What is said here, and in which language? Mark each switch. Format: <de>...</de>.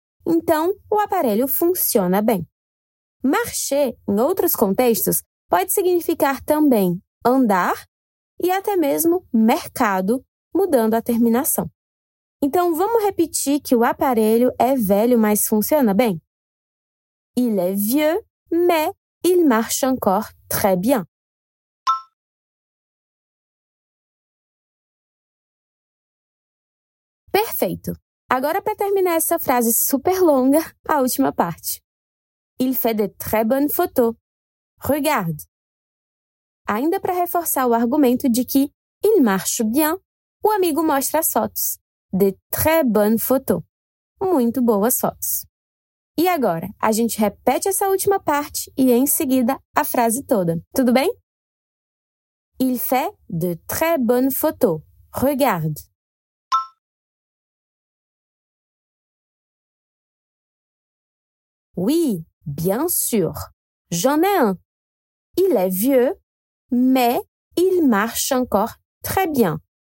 <pt>Então, o aparelho funciona bem. Marcher, em outros contextos, pode significar também andar e até mesmo mercado, mudando a terminação. Então, vamos repetir que o aparelho é velho, mas funciona bem?</pt> <fr>Il est vieux, mais il marche encore très bien.</fr> <pt>Perfeito! Agora, para terminar essa frase super longa, a última parte.</pt> <fr>Il fait de très bonnes photos. Regarde!</fr> <pt>Ainda para reforçar o argumento de que</pt> <fr>il marche bien,</fr> <pt>o amigo mostra as fotos.</pt> <fr>De très bonnes photos.</fr> <pt>Muito boas fotos. E agora, a gente repete essa última parte e, em seguida, a frase toda. Tudo bem?</pt> <fr>Il fait de très bonnes photos. Regarde! Oui, bien sûr, j'en ai un. Il est vieux, mais il marche encore très bien.</fr>